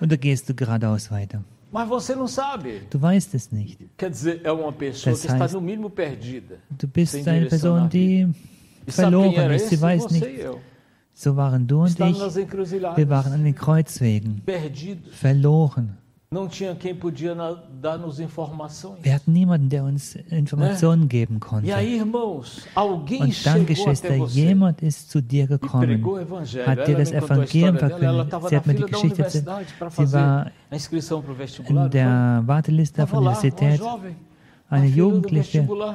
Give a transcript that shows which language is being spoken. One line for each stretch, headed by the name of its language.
German: Und da gehst du geradeaus weiter.
Portuguese: Mas você não sabe.
German: Du weißt es nicht.
Portuguese: Quer dizer, é uma pessoa
German: das
Portuguese: que está no mínimo perdida.
German: Du bist eine Person, die verloren ist. Sie weiß nicht. So waren du und ich. Wir waren an den Kreuzwegen.
Portuguese: Perdidos.
German: Verloren.
Portuguese: Não tinha quem podia dar-nos informações.
German: Wir hatten niemanden, der uns Informationen
Portuguese: né?
German: geben konnte.
Portuguese: E aí, irmãos, alguém
German: und dann, Geschwister, jemand
Portuguese: você.
German: Ist zu dir gekommen, hat dir das Evangelium verkündet. Sie hat mir die Geschichte erzählt. Sie war in der Warteliste von der Universität, eine Jugendliche.